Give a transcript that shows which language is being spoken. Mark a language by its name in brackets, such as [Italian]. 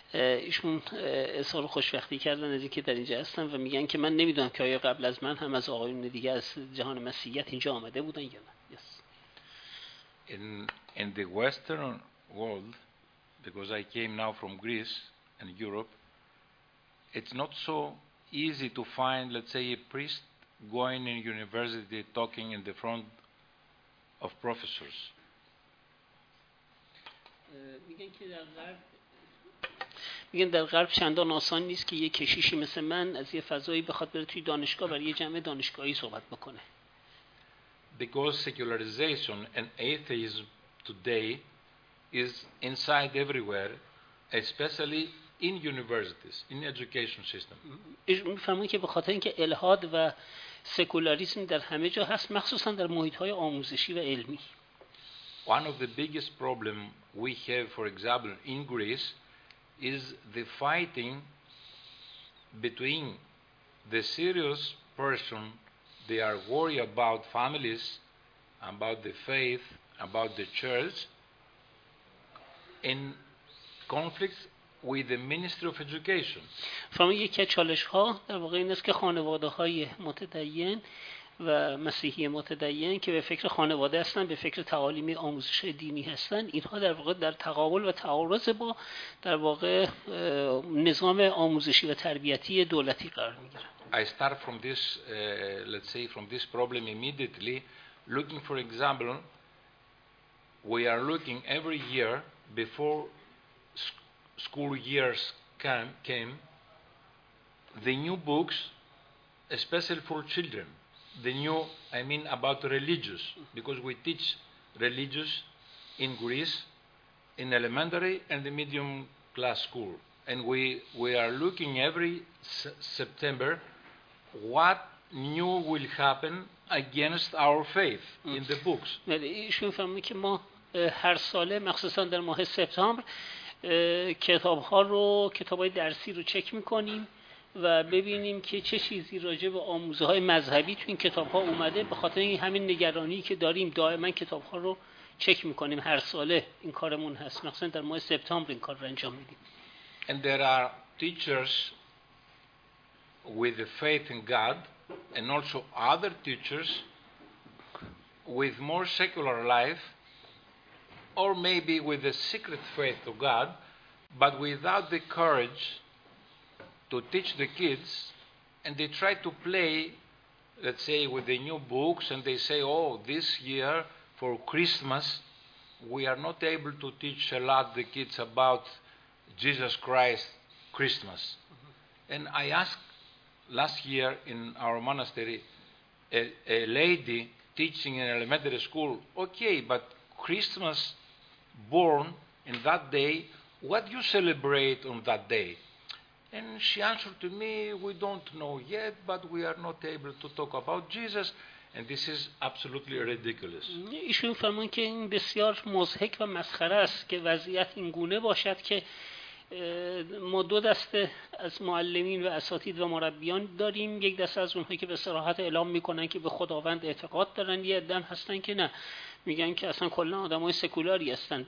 [Persian] ایشون اظهار خوشبختی کردن از اینکه در اینجا هستن و میگن که من نمیدونم که آیا قبل از من هم از آقایون دیگه از جهان مسیحیت اینجا آمده بودن یا نه. [English] Yes. In the western world, because I came now from Greece and Europe, it's not so easy to find, let's say, a priest going in university talking in the front of professors. [Persian] میگن که در غرب چندان آسان نیست که یه کشیشی مثل من از یه فضایی بخواد بره توی دانشگاه برای یه جمع دانشگاهی صحبت بکنه. [English] Because secularization and atheism today is inside everywhere, especially in universities, in education system. [Persian] می‌فهمم که به خاطر اینکه الحاد و سکولاریسم در همه جا هست، مخصوصا در محیط‌های آموزشی و علمی. [English] One of the biggest problem we have, for example, in Greece is the fighting between the serious person they are worried about families, about the faith, about the church, in conflict with the Ministry of Education. From one of the challenges, [Persian] در واقع این است که خانواده‌های متدین و مسیحی متدین که به فکر خانواده هستن، به فکر تعالیم آموزش دینی هستن، اینها در واقع در تقابل و تعارض با در واقع نظام آموزشی و تربیتی دولتی قرار میگیرن. [English] I start from this let's say from this problem immediately looking, for example, we are looking every year before school years came the new books especially for children. The new, I mean, about religious, because we teach religious in Greece, in elementary and the medium class school, and we are looking every September what new will happen against our faith in the books. [Persian] ایشون فهمید که ما هر ساله مخصوصا در ماه سپتامبر کتاب‌ها رو، کتاب‌های درسی رو چک می‌کنیم و ببینیم که چه چیزی راجع به آموزه‌های مذهبی تو این کتاب‌ها اومده. به خاطر این همین نگرانی که داریم، دائما کتاب‌ها رو چک می‌کنیم. هر ساله این کارمون هست، مخصوصا در ماه سپتامبر این کار رو انجام میدیم. [English] And there are teachers with the faith in God and also other teachers with more secular life or maybe with a secret faith to God but without the courage to teach the kids, and they try to play, let's say, with the new books, and they say, oh, this year for Christmas, we are not able to teach a lot the kids about Jesus Christ, Christmas. Mm-hmm. And I asked last year in our monastery, a lady teaching in elementary school, okay, but Christmas born in that day, what do you celebrate on that day? And she answered to me, we don't know yet, but we are not able to talk about Jesus, and this is absolutely ridiculous. [Persian] ایشون فرمان که این بسیار مضحک و مسخره است که وضعیت این گونه باشد که ما دو دسته از معلمین و اساتید و مربیان داریم، یک دسته از اونهایی که به صراحت اعلام میکنن که به خداوند اعتقاد دارن، یه عده هستن که نه، میگن که اصلا کلا آدمای سکولاری هستن.